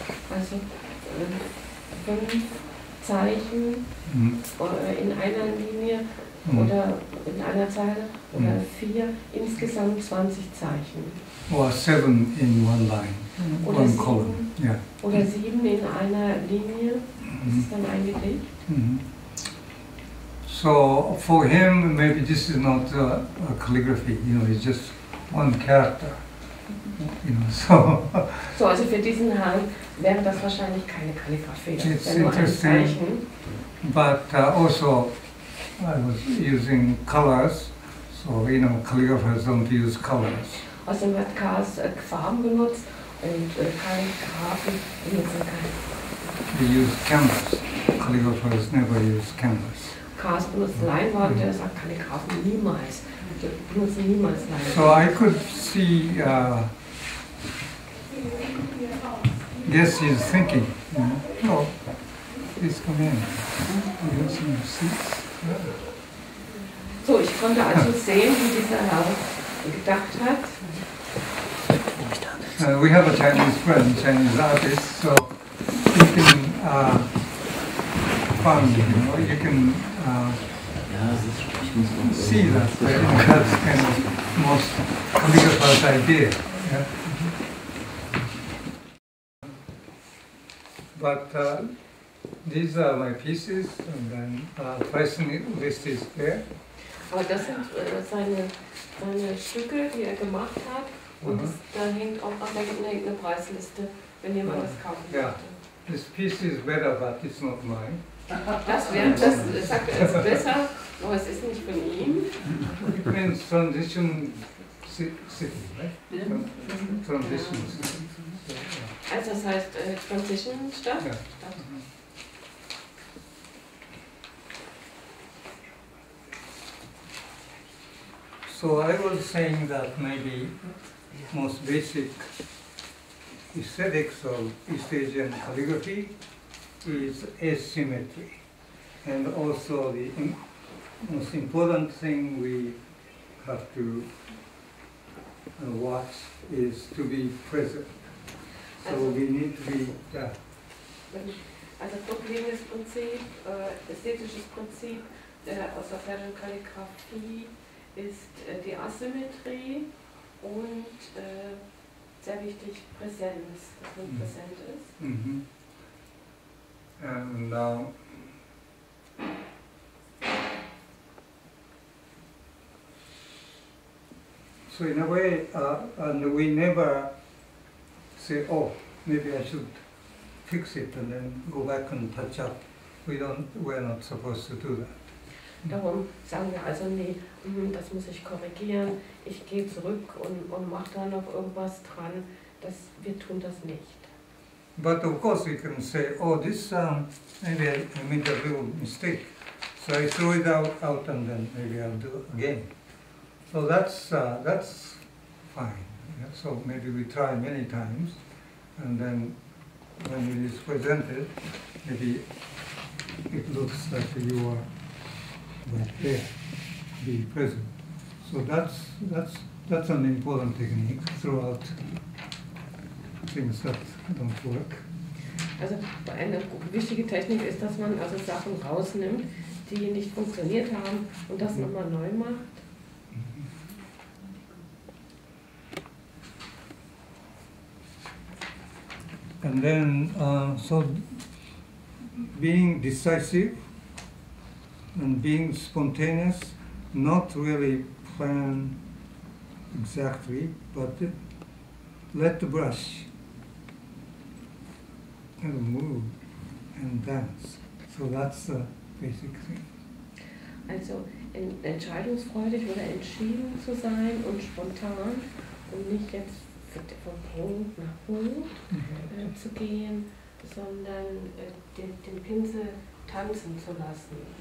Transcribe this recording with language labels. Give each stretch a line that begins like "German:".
German: Also fünf Zeichen in einer Linie oder in einer Zeile oder vier, insgesamt 20 Zeichen.
English: Or seven in one line,
German: oder
English: one
German: sieben,
English: column. Yeah.
German: Oder sieben in einer Linie, das ist dann ein Gedicht.
English: So for him, maybe this is not a calligraphy, you know, it's just one character, you know, so.
German: So also für diesen Herrn wäre das wahrscheinlich keine Kalligraphie, das wäre nur ein Zeichen.
English: But also I was using colors, so you know, calligraphers don't use colors.
German: Außerdem hat Kars Farben benutzt und Kalligraphen benutzen keine.
English: They use canvas. Calligraphers never use canvas.
German: Kars benutzt Leinwand, der sagt Kalligraphen niemals. Die benutzen niemals Leinwand.
English: So I could see, yes, he's thinking. You know. Oh, please come in. He has some seats.
German: So, ich konnte also sehen, wie dieser Herr gedacht hat.
English: We have a Chinese friend, Chinese artist, so you can find, you know, you can see that, you know, that's kind of most calligraphers idea. Yeah? But these are my pieces, and then pricing list is there.
German: Aber das sind seine Stücke, die gemacht hat. Und das, da hängt auch noch eine Preisliste, wenn jemand das kaufen möchte.
English: This piece is better, but it's not mine.
German: Das wäre, das sagt er, ist besser, aber es ist nicht von ihm.
English: It means transition city, right? Transition city.
German: Also das heißt Transition Stadt? Ja.
English: So I was saying that maybe most basic aesthetics of East Asian calligraphy is asymmetry. And also the most important thing we have to watch is to be present. So also, we need to be that.
German: Also problemes Prinzip, ästhetisches Prinzip aus der Ferien Kalligraphie ist die Asymmetrie. Und sehr wichtig, Präsenz, dass man präsent ist.
English: And now, so in a way, and we never say, oh, maybe I should fix it and then go back and touch up. We're not supposed to do that.
German: Darum sagen wir also nie, das muss ich korrigieren, ich gehe zurück und mache da noch irgendwas dran, das, wir tun das nicht.
English: But of course we can say, oh, this, maybe I made a real mistake, so I threw it out and then maybe I'll do it again. So that's fine. Yeah? So maybe we try many times and then when it is presented, maybe it looks like you are right there, be present. So that's an important technique throughout things that don't work.
German: Also eine wichtige Technik ist, dass man also Sachen rausnimmt, die nicht funktioniert haben, und das nochmal neu macht.
English: And then, so being decisive, and being spontaneous, not really plan exactly, but let the brush kind of move and dance. So that's the basic thing.
German: Also entscheidungsfreudig oder entschieden zu sein und spontan und nicht jetzt von Punkt nach Punkt zu gehen, sondern den Pinsel tanzen zu lassen.